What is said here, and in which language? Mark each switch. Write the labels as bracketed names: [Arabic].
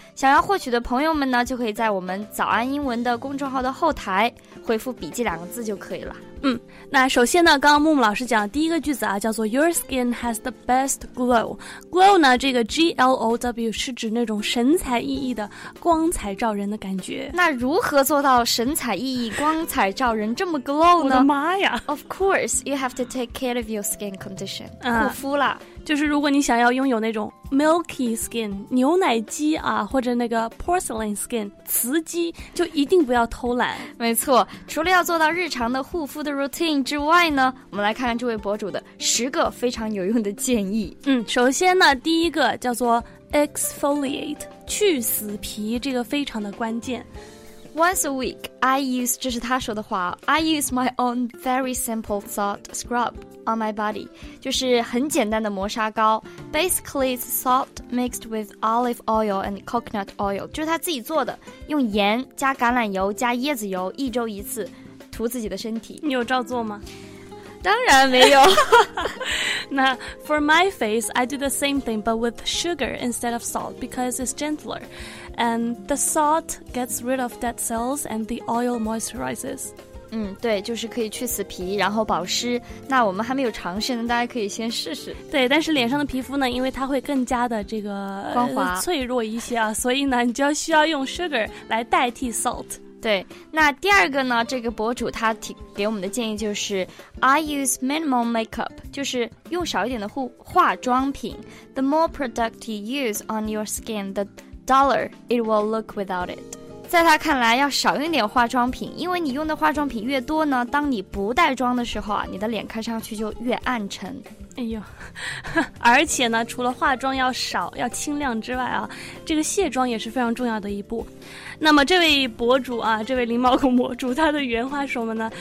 [Chinese] 想要获取的朋友们呢，就可以在我们早安英文的公众号的后台回复笔记两个字就可以了。那首先呢，刚刚木木老师讲的第一个句子啊，叫做 [English] Your skin has the best glow. [Chinese] Glow 呢，这个 G-L-O-W 是指那种神采奕奕的光彩照人的感觉。那如何做到神采奕奕光彩照人这么 glow 呢？我的妈呀。 [English] Of course, you have to take care of your skin condition. [Chinese] 护肤啦。就是如果你想要拥有那种 milky skin, 牛奶肌啊，或者那个 porcelain skin, 瓷肌，就一定不要偷懒。没错，除了要做到日常的护肤的 routine 之外呢，我们来看看这位博主的十个非常有用的建议。首先呢，第一个叫做 exfoliate, 去死皮，这个非常的关键。 [English] Once a week, I use, [Chinese] 这是他说的话, [English] I use my own very simple salt scrub on my body. [Chinese] 就是很简单的磨砂膏。 [English] Basically, it's salt mixed with olive oil and coconut oil. [Chinese] 就是他自己做的,用盐加橄榄油加椰子油一周一次涂自己的身体。你有照做吗? 当然没有。 [English] 那 for my face, I do the same thing but with sugar instead of salt because it's gentler. And the salt gets rid of dead cells and the oil moisturizes. [Chinese] 对，就是可以去死皮，然后保湿。那我们还没有尝试呢，大家可以先试试。对，但是脸上的皮肤呢，因为它会更加的这个光滑、脆弱一些啊，所以呢，你就需要用 sugar 来代替 salt。对，那第二个呢，这个博主他给我们的建议就是 [English] I use minimal makeup, [Chinese] 就是用少一点的化妆品。 [English] The more product you use on your skin, the dollar it will look without it. [Chinese] 在他看来要少用点化妆品，因为你用的化妆品越多呢，当你不带妆的时候啊，你的脸看上去就越暗沉。哎呦，而且呢，除了化妆要少要清亮之外啊，这个卸妆也是非常重要的一步。那么这位博主啊，这位零毛孔博主，他的原话是什么呢？